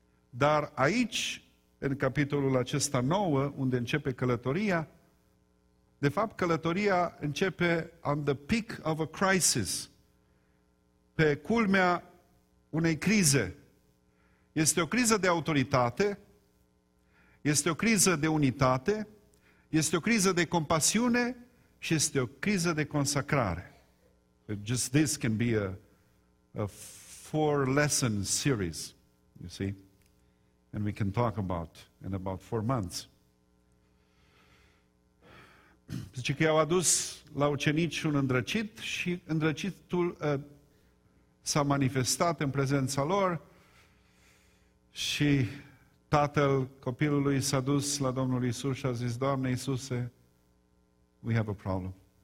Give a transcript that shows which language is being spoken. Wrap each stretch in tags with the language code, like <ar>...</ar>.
<ro>Dar aici, în capitolul acesta nouă, unde începe călătoria, de fapt călătoria începe</ro> <en>on the peak of a crisis,</en> <ro>pe culmea unei crize. Este o criză de autoritate, este o criză de unitate, este o criză de compasiune și este o criză de consacrare.</ro> <en>Just this can be a four lesson series, you see, and we can talk about in about 4 months.</en> <ro>Zice că i-au adus la ucenici un îndrăcit și îndrăcitul s-a manifestat în prezența lor și tatăl copilului s-a dus la Domnul Iisus și a zis, Doamne Iisuse,</ro> <en>we have a problem.</en>